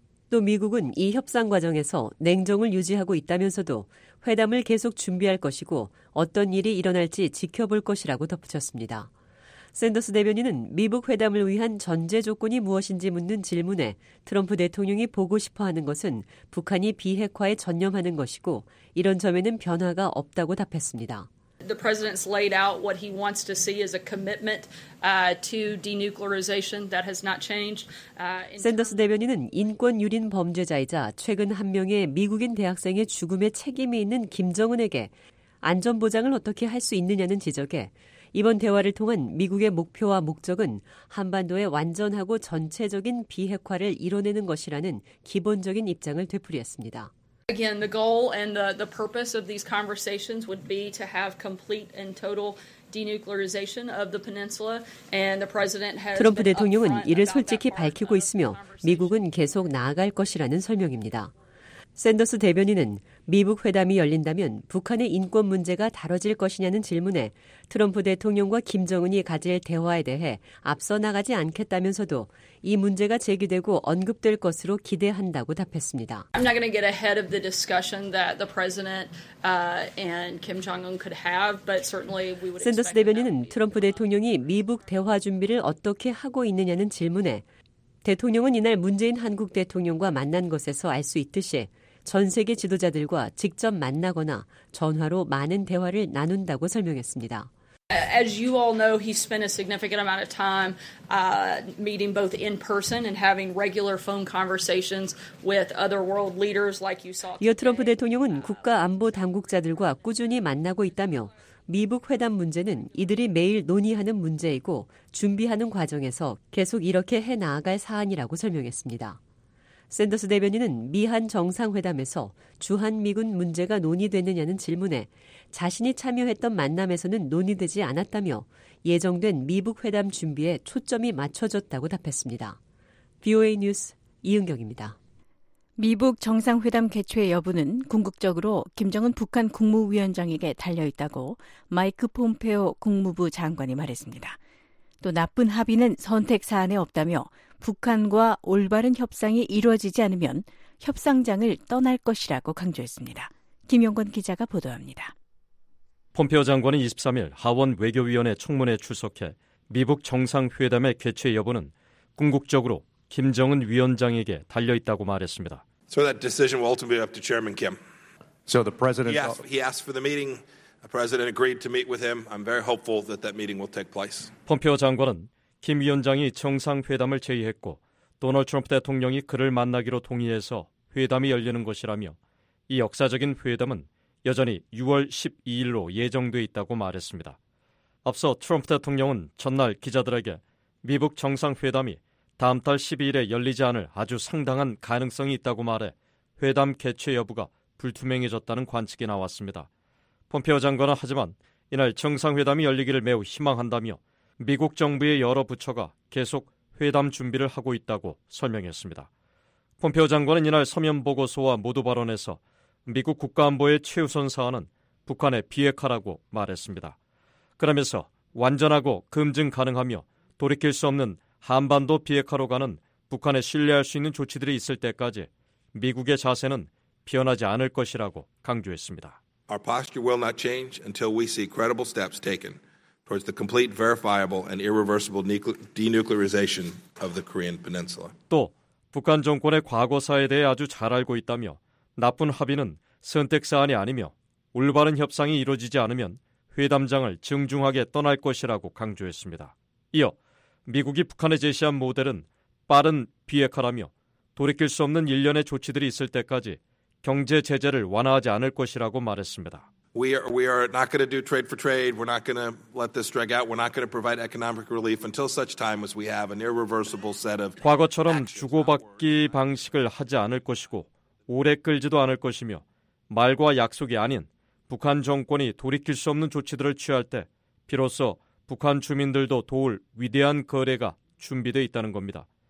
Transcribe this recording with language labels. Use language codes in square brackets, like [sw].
[ko] 또 미국은 이 협상 과정에서 냉정을 유지하고 있다면서도 회담을 계속 준비할 것이고 어떤 일이 일어날지 지켜볼 것이라고 덧붙였습니다. 샌더스 대변인은 미북 회담을 위한 전제 조건이 무엇인지 묻는 질문에 트럼프 대통령이 보고 싶어하는 것은 북한이 비핵화에 전념하는 것이고 이런 점에는 변화가 없다고 답했습니다. [en] The president's laid out what he wants to see as a commitment to denuclearization that has not changed. [ko] 샌더스 대변인은 인권 유린 범죄자이자 최근 한 명의 미국인 대학생의 죽음에 책임이 있는 김정은에게 안전 보장을 어떻게 할 수 있느냐는 지적에 이번 대화를 통한 미국의 목표와 목적은 한반도의 완전하고 전체적인 비핵화를 이뤄내는 것이라는 기본적인 입장을 되풀이했습니다. [en] Again, the goal and the purpose of these conversations would be to have complete and total denuclearization of the peninsula. And the president has [ko] 트럼프 대통령은 이를 솔직히 밝히고 있으며 미국은 계속 나아갈 것이라는 설명입니다. 샌더스 대변인은 미북 회담이 열린다면 북한의 인권 문제가 다뤄질 것이냐는 질문에 트럼프 대통령과 김정은이 가질 대화에 대해 앞서 나가지 않겠다면서도 이 문제가 제기되고 언급될 것으로 기대한다고 답했습니다. [en] I'm not going to get ahead of the discussion that the president and Kim Jong-un could have, but certainly we would. [ko] 샌더스 대변인은 트럼프 대통령이 미북 대화 준비를 어떻게 하고 있느냐는 질문에 대통령은 이날 문재인 한국 대통령과 만난 것에서 알 수 있듯이 전 세계 지도자들과 직접 만나거나 전화로 많은 대화를 나눈다고 설명했습니다. [en] As you all know, he spent a significant amount of time meeting both in person and having regular phone conversations with other world leaders like you saw. [ko] 이어 트럼프 대통령은 국가 안보 당국자들과 꾸준히 만나고 있다며 미북 회담 문제는 이들이 매일 논의하는 문제이고 준비하는 과정에서 계속 이렇게 해 나아갈 사안이라고 설명했습니다. 샌더스 대변인은 미한 정상회담에서 주한미군 문제가 논의됐느냐는 질문에 자신이 참여했던 만남에서는 논의되지 않았다며 예정된 미북 회담 준비에 초점이 맞춰졌다고 답했습니다. VOA 뉴스 이은경입니다. 미북 정상회담 개최 여부는 궁극적으로 김정은 북한 국무위원장에게 달려있다고 마이크 폼페오 국무부 장관이 말했습니다. 또 나쁜 합의는 선택사안에 없다며 북한과 올바른 협상이 이루어지지 않으면 협상장을 떠날 것이라고 강조했습니다. 김용건 기자가 보도합니다. 폼페오 장관은 23일 하원 외교위원회 청문회 출석해 미북 정상회담의 개최 여부는 궁극적으로 김정은 위원장에게 달려있다고 말했습니다. [en] So that decision will ultimately be up to Chairman Kim. So the president... He asked for the meeting. The president agreed to meet with him. I'm very hopeful that that meeting will take place. [ko] 폼페오 장관은 김 위원장이 정상회담을 제의했고 도널드 트럼프 대통령이 그를 만나기로 동의해서 회담이 열리는 것이라며 이 역사적인 회담은 여전히 6월 12일로 예정돼 있다고 말했습니다. 앞서 트럼프 대통령은 전날 기자들에게 미북 정상회담이 다음 달 12일에 열리지 않을 아주 상당한 가능성이 있다고 말해 회담 개최 여부가 불투명해졌다는 관측이 나왔습니다. 폼페오 장관은 하지만 이날 정상회담이 열리기를 매우 희망한다며 미국 정부의 여러 부처가 계속 회담 준비를 하고 있다고 설명했습니다. 폼페오 장관은 이날 서면 보고서와 모두 발언에서 미국 국가안보의 최우선 사안은 북한의 비핵화라고 말했습니다. 그러면서 완전하고 검증 가능하며 돌이킬 수 없는 한반도 비핵화로 가는 북한에 신뢰할 수 있는 조치들이 있을 때까지 미국의 자세는 변하지 않을 것이라고 강조했습니다. [en] Our posture will not change until we see credible steps taken towards the complete, verifiable, and irreversible denuclearization of the Korean Peninsula. [ko] 또 북한 정권의 과거사에 대해 아주 잘 알고 있다며 나쁜 합의는 선택 사안이 아니며 올바른 협상이 이루어지지 않으면 회담장을 정중하게 떠날 것이라고 강조했습니다. 이어 미국이 북한에 제시한 모델은 빠른 비핵화라며 돌이킬 수 없는 일련의 조치들이 있을 때까지 경제 제재를 완화하지 않을 것이라고 말했습니다. [en] We are not going to do trade for trade. We're not going to let this drag out. We're not going to provide economic relief until such time as we have an irreversible set of [ko] 과거처럼 주고받기 방식을 하지 않을 것이고 오래 끌지도 않을 것이며 말과 약속이 아닌 북한 정권이 돌이킬 수 없는 조치들을 취할 때 비로소 북한 주민들도 도울 위대한 거래가 준비되어 있다는 겁니다.